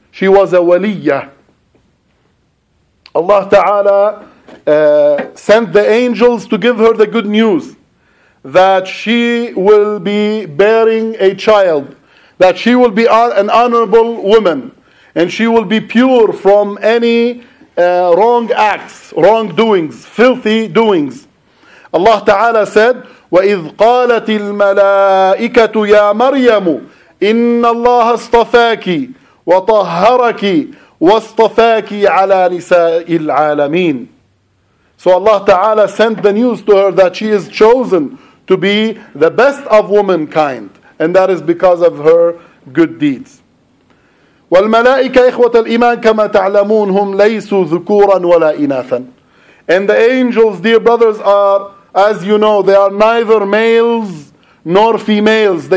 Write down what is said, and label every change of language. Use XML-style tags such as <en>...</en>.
<en>She was a waliyah. Allah ta'ala sent the angels to give her the good news that she will be bearing a child, that she will be an honorable woman, and she will be pure from any wrong acts, wrong doings, filthy doings.</en> <ar>Allah ta'ala said, وَإِذْ قَالَتِ الْمَلَائِكَةُ يَا مَرْيَمُ إِنَّ اللَّهَ اصْطَفَاكِ وَطَهَّرَكِ وَاصْطَفَاكِ عَلَى نِسَاءِ الْعَالَمِينَ.</ar> <en>So Allah ta'ala sent the news to her that she is chosen to be the best of womankind, and that is because of her good deeds.</en> <ar>وَالْمَلَائِكَ إِخْوَةَ الْإِيمَانِ كَمَا تَعْلَمُونَ هُمْ لَيْسُوا ذُكُورًا وَلَا إِنَاثًا.</ar> <en>And the angels, dear brothers, are, as you know, they are neither males nor females.</en>